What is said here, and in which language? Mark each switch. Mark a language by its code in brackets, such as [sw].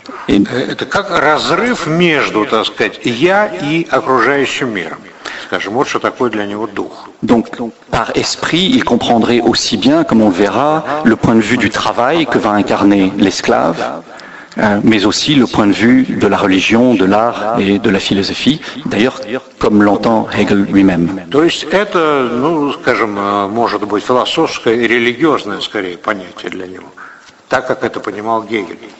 [ru] Это как разрыв между, так сказать, я и окружающим миром. Скажем, вот что такое для него дух. [fr] Donc, par esprit, il comprendrait aussi bien, comme on le verra, le point de vue du travail que va incarner l'esclave. mais aussi le point de vue de la religion, de l'art et de la philosophie, d'ailleurs comme l'entend Hegel lui-même. [ru] То есть это, ну, скажем, может быть философское и религиозное скорее понятие для него, так как это понимал Гегель.